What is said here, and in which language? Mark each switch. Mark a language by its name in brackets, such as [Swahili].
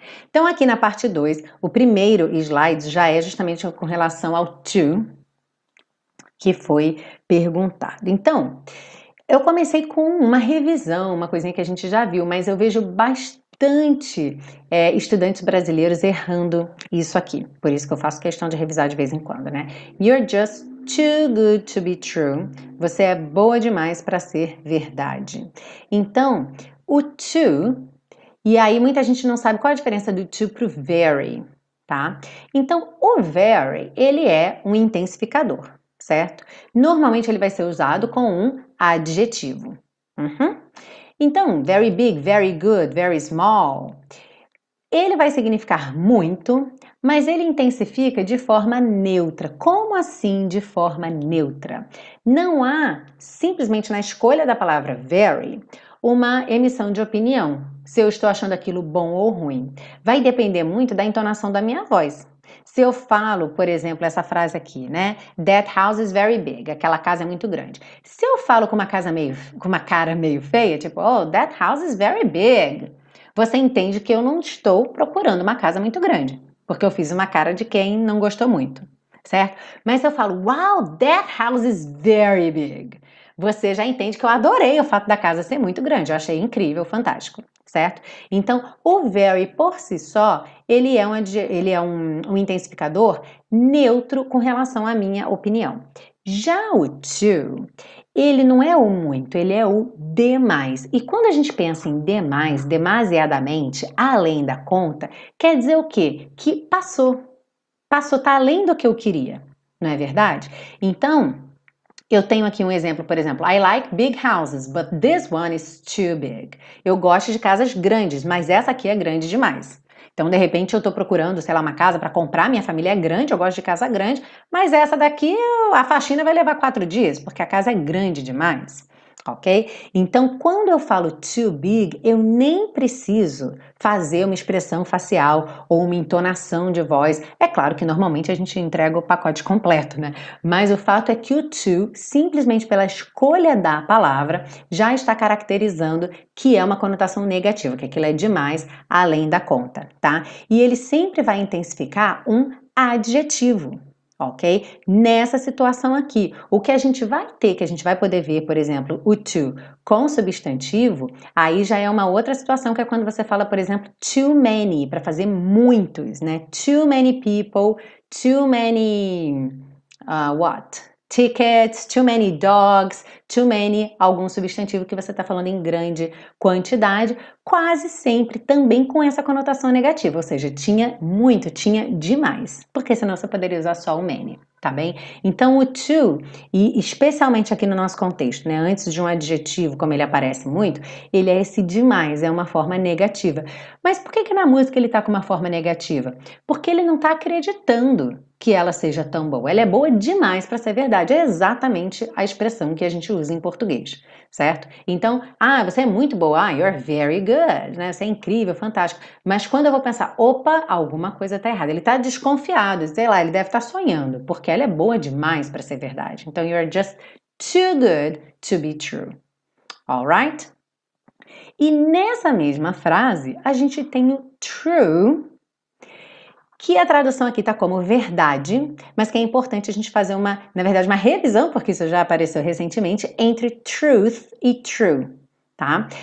[Portuguese] Então, aqui na parte 2, o primeiro slide já é justamente com relação ao to, que foi perguntado. Então, eu comecei com uma revisão, uma coisinha que a gente já viu, mas eu vejo bastante estudantes brasileiros errando isso aqui. Por isso que eu faço questão de revisar de vez em quando, né? [English] You're just too good to be true. [Portuguese] Você é boa demais para ser verdade. Então, o to, e aí muita gente não sabe qual a diferença do to pro very, tá? Então, o very, ele é um intensificador, certo? Normalmente ele vai ser usado com um adjetivo. [English] Então, very big, very good, very small. [Portuguese] Ele vai significar muito, mas ele intensifica de forma neutra. Como assim de forma neutra? Não há, simplesmente na escolha da palavra very, uma emissão de opinião, se eu estou achando aquilo bom ou ruim. Vai depender muito da entonação da minha voz. Se eu falo, por exemplo, essa frase aqui, né? [English] That house is very big. [Portuguese] Aquela casa é muito grande. Se eu falo com uma cara meio feia, tipo, [English] oh, that house is very big. [Portuguese] Você entende que eu não estou procurando uma casa muito grande, porque eu fiz uma cara de quem não gostou muito, certo? Mas se eu falo, [English] wow, that house is very big. [Portuguese] Você já entende que eu adorei o fato da casa ser muito grande. Eu achei incrível, fantástico. Certo? Então, o very por si só, ele é um intensificador neutro com relação à minha opinião. Já o to, ele não é o muito, ele é o demais. E quando a gente pensa em demais, demasiadamente, além da conta, quer dizer o quê? Que passou. Passou, tá além do que eu queria, não é verdade? Então, eu tenho aqui um exemplo, por exemplo. [English] I like big houses, but this one is too big. [Portuguese] Eu gosto de casas grandes, mas essa aqui é grande demais. Então, de repente, eu estou procurando, sei lá, uma casa para comprar. Minha família é grande, eu gosto de casa grande, mas essa daqui, a faxina vai levar 4 dias, porque a casa é grande demais. Ok? Então, quando eu falo too big, eu nem preciso fazer uma expressão facial ou uma entonação de voz. É claro que normalmente a gente entrega o pacote completo, né? Mas o fato é que o to, simplesmente pela escolha da palavra, já está caracterizando que é uma conotação negativa, que aquilo é demais além da conta, tá? E ele sempre vai intensificar um adjetivo. Ok? Nessa situação aqui, o que a gente vai ter, que a gente vai poder ver, por exemplo, o to com substantivo, aí já é uma outra situação, que é quando você fala, por exemplo, too many, para fazer muitos, né? [English] Too many people, too many, what? Tickets, too many dogs, [Portuguese] too many, algum substantivo que você está falando em grande quantidade, quase sempre também com essa conotação negativa, ou seja, tinha muito, tinha demais, porque senão você poderia usar só o many, tá bem? Então o too, e especialmente aqui no nosso contexto, né, antes de um adjetivo, como ele aparece muito, ele é esse demais, é uma forma negativa. Mas por que que na música ele está com uma forma negativa? Porque ele não está acreditando que ela seja tão boa. Ela é boa demais para ser verdade. É exatamente a expressão que a gente usa em português, certo? Então, ah, você é muito boa. [English] Ah, you're very good, [Portuguese] né? Você é incrível, fantástico. Mas quando eu vou pensar, opa, alguma coisa tá errada. Ele tá desconfiado, sei lá, ele deve estar sonhando, porque ela é boa demais para ser verdade. [English] Então, you're just too good to be true. All right? [Portuguese] E nessa mesma frase, a gente tem o true, que a tradução aqui está como verdade, mas que é importante a gente fazer uma, na verdade, uma revisão, porque isso já apareceu recentemente, entre truth e true, tá?